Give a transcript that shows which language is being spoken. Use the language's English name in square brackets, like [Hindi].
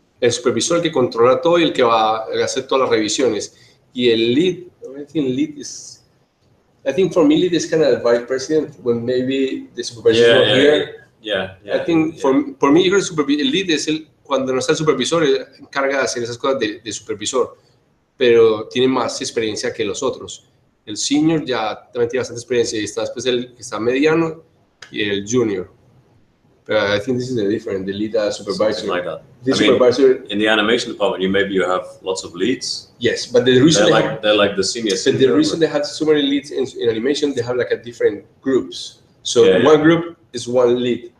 [Spanish] El supervisor que controla todo y el que va a hacer todas las revisiones. Y el [English] lead, I think for me lead is kind of the vice president when maybe the supervisor is not here. Yeah. For me, [Spanish] el lead es el, cuando no está el supervisor, él encarga de hacer esas cosas de supervisor, pero tiene más experiencia que los otros. El senior ya también tiene bastante experiencia y está después el que está mediano y el junior. [English] But I think this is a different, the lead as supervisor. Something like that. This I mean, supervisor. In the animation department, you have lots of leads. Yes, but the reason they're like the senior. But the reason they have so many leads in animation, they have like a different groups. So yeah, one yeah. group is one lead,